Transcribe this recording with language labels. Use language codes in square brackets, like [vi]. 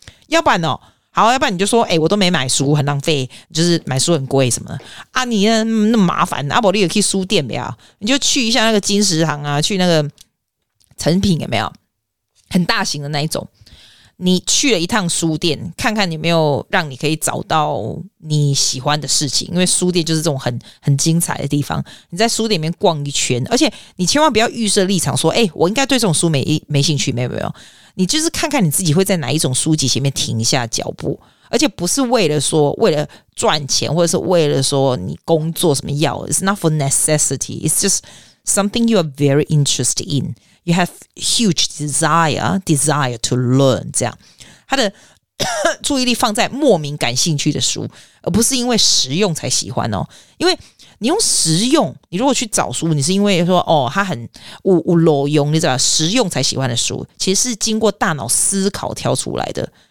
[zh] 要不然哦，好，要不然你就说，欸，我都没买书，很浪费，就是买书很贵什么的啊，你那么麻烦啊，不然你也可以书店没有，你就去一下那个金石堂啊，去那个成品有没有很大型的那一种，你去了一趟书店，看看有没有让你可以找到你喜欢的事情，因为书店就是这种很精彩的地方。你在书店里面逛一圈，而且你千万不要预设立场说，欸，我应该对这种书没兴趣，没有没有，你就是看看你自己会在哪一种书籍前面停下脚步，而且不是为了说为了赚钱，或者是为了说你工作什么要。 [en] It's not for necessity. It's just something you are very interested in. You have huge desire to learn. [zh] 这样，他的注意力放在莫名感兴趣的书，而不是因为实用才喜欢哦。因为你用实用，你如果去找书，你是因为说哦，它很有路用，你知道，实用才喜欢的书，其实是经过大脑思考挑出来的。